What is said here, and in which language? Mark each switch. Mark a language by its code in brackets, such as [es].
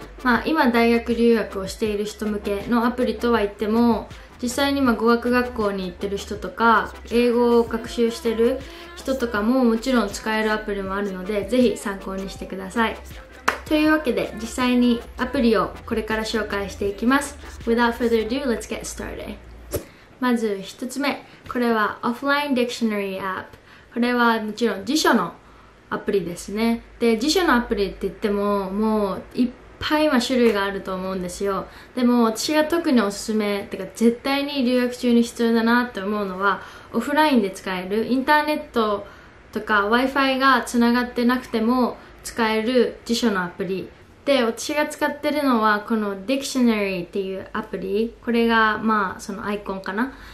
[ja] まあ、今大学留学をしている人向けのアプリとは言っても、実際に今語学学校に行ってる人とか英語を学習してる人とかももちろん使えるアプリもあるので、ぜひ参考にしてください。というわけで実際にアプリをこれから紹介していきます。 [en] Without further ado, let's get started. [ja] まず1つ目、これは Offline Dictionary App。これはもちろん辞書のアプリですね。で、辞書のアプリって言ってももういっぱいは種類があると思うんですよ。でも私が特におすすめてか絶対に留学中に必要だなって思うのは、オフラインで使える、インターネットとか Wi-Fi がつながってなくても使える辞書のアプリで、私が使ってるのはこの Dictionary っていうアプリ、これがまあそのアイコンかな。